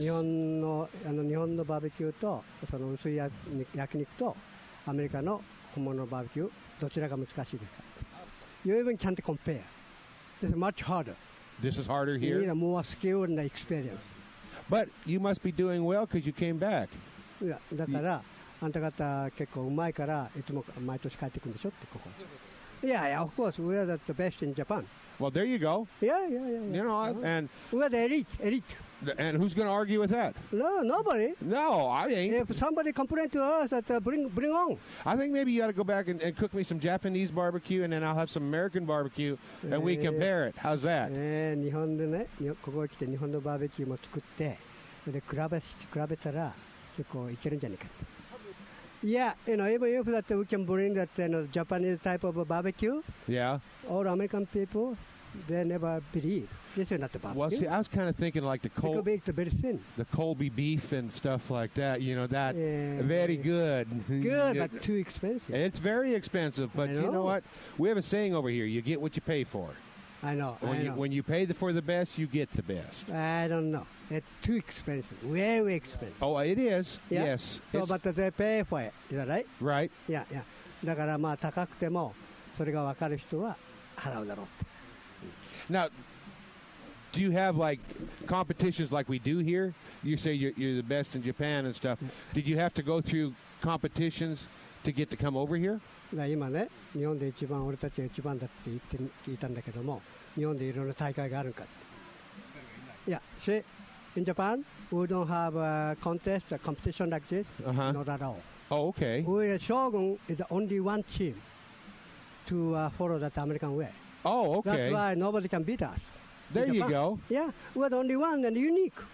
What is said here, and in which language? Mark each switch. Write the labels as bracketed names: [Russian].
[Japanese] 日本のバーベキューとその薄い焼肉とアメリカの本物のバーベキューどちらが難しいですか [English] You even can't compare. This is much harder. This is harder here? You need a more skill and experience. But you must be doing well because you came back. [Japanese] Yeah, だからあんた方結構うまいからいつも毎年帰ってくるんでしょってここ。 [English] Yeah, yeah, of course. We are the best in Japan. Well, there you go. Yeah. You know, and... We are the elite. And who's going to argue with that? No, nobody. No, I ain't. If somebody complained to us, that bring on. I think maybe you ought to go back and cook me some Japanese barbecue, and then I'll have some American barbecue, and we compare it. How's that? [Japanese] Yeah, ここに来て日本のバーベキューも作って、で、比べたら結構いけるんじゃないかと。 [English] Yeah, you know, even if that we can bring that you know, Japanese type of barbecue, yeah, all American people, they never believe this is not the barbecue. Well, see, I was kind of thinking like the Colby beef and stuff like that, you know, that very good. Good, but too expensive. It's very expensive, but you know what? We have a saying over here, you get what you pay for. I know, When you pay for the best, you get the best. I don't know. It's too expensive. Very expensive. Oh, it is. Yeah. Yes. So, but they pay for it. Is that right? Right. Yeah, yeah. [Japanese] だからまあ高くてもそれが分かる人は払うだろう。 [English] Now, do you have like competitions like we do here? You say you're the best in Japan and stuff. Did you have to go through competitions to get to come over here? [Japanese] 今ね、日本で一番俺たちが一番だって言って聞いたんだけども、日本でいろんな大会があるかって。 [English] Yeah, see, in Japan, we don't have a contest, a competition like this,、 uh-huh. not at all. Oh, okay. We, Shogun is the only one team to、follow that American way. Oh, okay. That's why nobody can beat us. There you go. Yeah, we're the only one and unique.